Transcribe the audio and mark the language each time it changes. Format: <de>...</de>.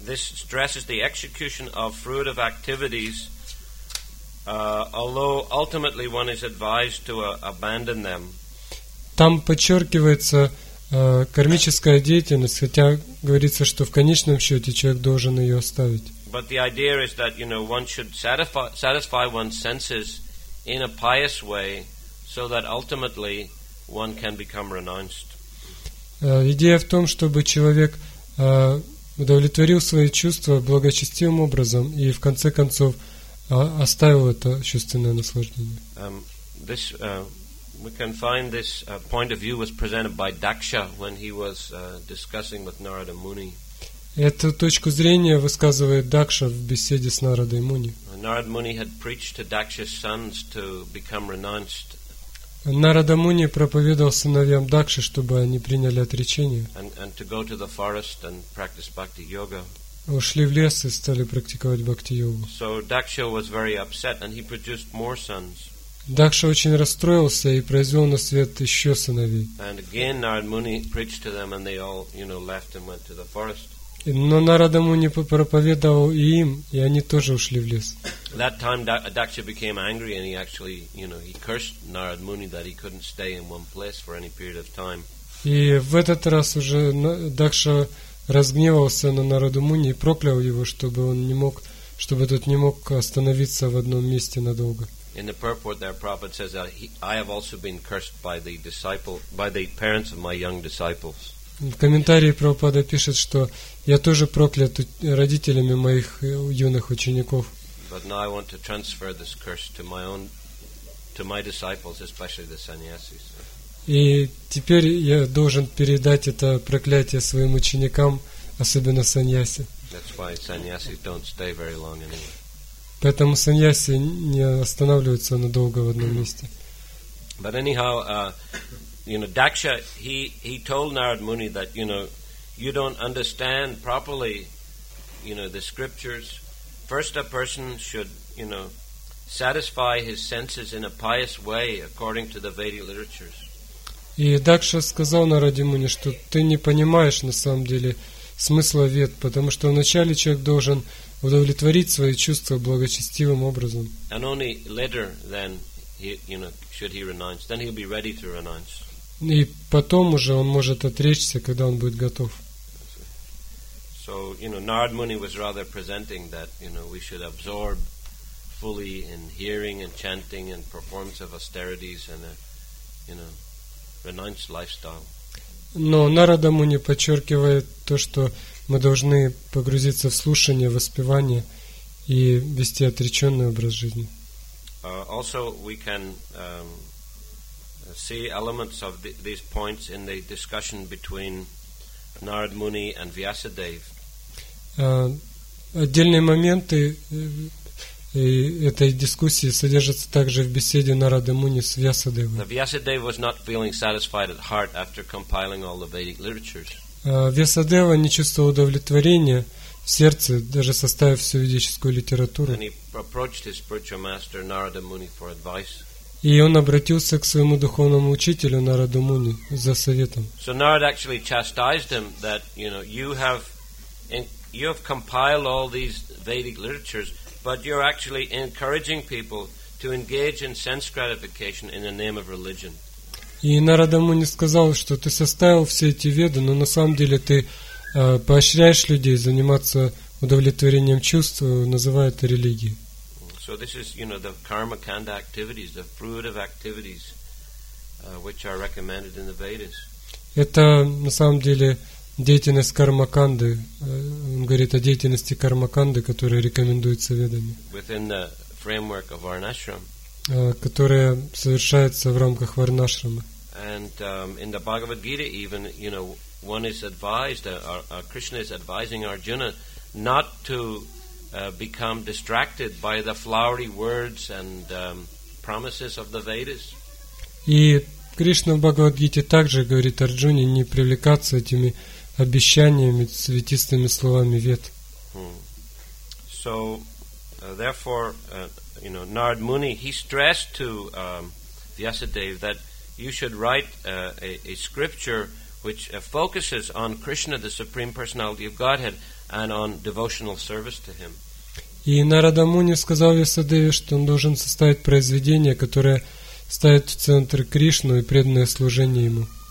<en>This stresses the execution of fruit of activities, although ultimately one is advised to abandon them.</en> <ru>Там подчеркивается кармическая деятельность, хотя говорится, что в конечном счете человек должен ее оставить.</ru> <en>But the idea is that, you know, one should satisfy one's senses in a pious way, so that ultimately one can become renounced.</en> <ru>Идея в том, чтобы человек удовлетворил свои чувства благочестивым образом и в конце концов оставил это чувственное наслаждение.</ru> <en>We can find this point of view was presented by Daksha when he was discussing with Narada Muni.</en> <ru>Эту точку зрения высказывает Дакша в беседе с Нарадой Муни.</ru> <en>Narada Muni had preached to Daksha's sons to become renounced.</en> <ru>Нарада Муни проповедовал сыновьям Дакши, чтобы они приняли отречение.</ru> <en>And to go to the forest and practice bhakti yoga.</en> <ru>Ушли в лес и стали практиковать бхакти йогу.</ru> <en>So Daksha was very upset and he produced more sons.</en> <ru>Дакша очень расстроился и произвел на свет еще сыновей.</ru> <en>And again Narada Muni preached to them and they all, you know, left and went to the forest.</en> <ru>Но Нарада Муни проповедовал и им, и они тоже ушли в лес.</ru> <en>That time Daksha became angry and he actually, you know, he cursed Narada Muni that he couldn't stay in one place for any period of time.</en> <ru>И в этот раз уже Дакша разгневался на Нараду Муни и проклял его, чтобы тот не мог остановиться в одном месте надолго.</ru> <en>In the purport there Prabhupada says that I have also been cursed by the disciple by the parents of my young disciples.</en> <ru>В комментарии Прабхупада пишет, что я тоже проклят родителями моих юных учеников.</ru> <en>But now I want to transfer this curse to my disciples, especially the sannyasis.</en> <ru>И теперь я должен передать это проклятие своим ученикам, особенно саньяси.</ru> <en>That's why sannyasis don't stay very long anyway.</en> <ru>Поэтому саньяси не останавливаются надолго в одном месте.</ru> <en>But anyhow, you know, Daksha, he told Narada Muni that, you know, you don't understand properly, you know, the scriptures. First, a person should, you know, satisfy his senses in a pious way according to the Vedic literatures.</en> <ru>И Дакша сказал Нараде Муни, что ты не понимаешь на самом деле смысла вед, потому что вначале человек должен удовлетворить свои чувства благочестивым образом.</ru> <en>And only later then he, you know, should he renounce. Then he'll be ready to renounce.</en> <ru>И потом уже он может отречься, когда он будет готов.</ru> <en>So, you know, Narada Muni was rather presenting that, you know, we should absorb fully in hearing and chanting and performance of austerities and a, you know, renounced lifestyle.</en> <ru>Но Нарада Муни подчеркивает то, что мы должны погрузиться в слушание, воспевание и вести отреченный образ жизни.</ru> <en>Also, we can see elements of these points in the discussion between Narad Muni and Vyasadev.</en> <ru>Отдельные моменты этой дискуссии содержатся также в беседе Нарада Муни с Вьясадевой.</ru> <en>Vyasadeva was not feeling satisfied at heart after compiling all the Vedic literatures.</en> <ru>Вьясадева не чувствовал удовлетворения в сердце, даже составив всю ведическую литературу.</ru> <en>And he approached his spiritual master Narada Muni for advice.</en> <ru>И он обратился к своему духовному учителю Нараду Муни за советом.</ru> <en>So Narada actually chastised him that, you know, you have compiled all these Vedic literatures, but you're actually encouraging people to engage in sense gratification in the name of religion.</en> <ru>И Нарада Муни сказал, что ты составил все эти веды, но на самом деле ты поощряешь людей заниматься удовлетворением чувств, называя это религией.</ru> <en>So this is, you know, the karmakanda activities, the fruit of activities, which are recommended in the Vedas.</en> <ru>Это на самом деле деятельность кармаканды. Он говорит о деятельности кармаканды, которая рекомендуется ведами.</ru> <en>Within the framework of Varnashram.</en> <ru>Которая совершается в рамках Варнашрама.</ru> <en>And in the Bhagavad Gita, even, you know, one is advised, Krishna is advising Arjuna not to become distracted by the flowery words and promises of the Vedas.</en> <ru>И Кришна в Бхагавад-гите также говорит Арджуне не привлекаться этими обещаниями, цветистыми словами вед.</ru> <en>So, therefore, you know, Narad Muni, he stressed to Vyasadeva that you should write a scripture which focuses on Krishna, the Supreme Personality of Godhead, and on devotional service to him.</en> <ru>И Нарада Муни сказал Вьясадеве, что он должен составить произведение, которое ставит в центр Кришну и преданное служение ему.</ru>